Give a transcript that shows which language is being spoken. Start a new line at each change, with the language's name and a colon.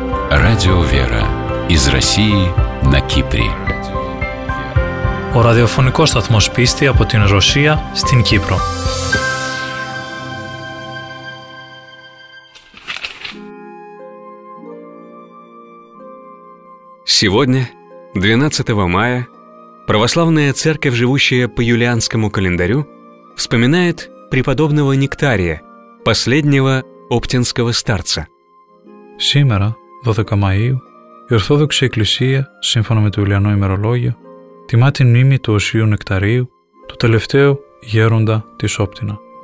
Russian: Радио «Вера» из России на Кипре.
Greek: Ο ραδιοφωνικός σταθμός πίστη από την Ρωσία στην Κύπρο.
Russian: Сегодня, 12 мая, православная церковь, живущая по юлианскому календарю, вспоминает преподобного Нектария, последнего оптинского старца. Сегодня, 12 мая,
Greek: η Ορθόδοξη Εκκλησία, σύμφωνα με το Ιουλιανό ημερολόγιο, τιμά την μνήμη του Οσίου Νεκταρίου, του τελευταίου γέροντα της Όπτινα.